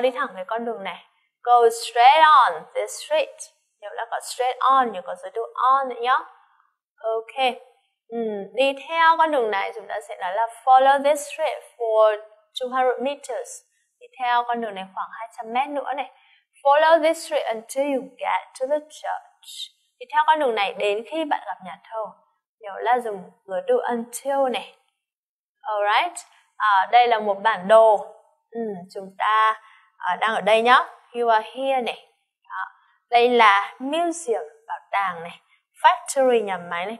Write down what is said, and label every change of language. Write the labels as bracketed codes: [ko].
[vi] Đi thẳng cái con đường này. [en] Go straight on the street. [vi] Nhiều là có straight on, nhiều có giới từ on nữa nhá. Ok. Đi theo con đường này chúng ta sẽ nói là [en] follow this street for 200 meters. [vi] Đi theo con đường này khoảng 200 mét nữa này. [en] Follow this street until you get to the church. [vi] Đi theo con đường này đến khi bạn gặp nhà thờ. Nhiều là dùng giới từ until này. Alright. Đây là một bản đồ. Chúng ta đang ở đây nhá. [en] You are here [vi] này. Đó. Đây là museum, bảo tàng này. Factory, nhà máy này.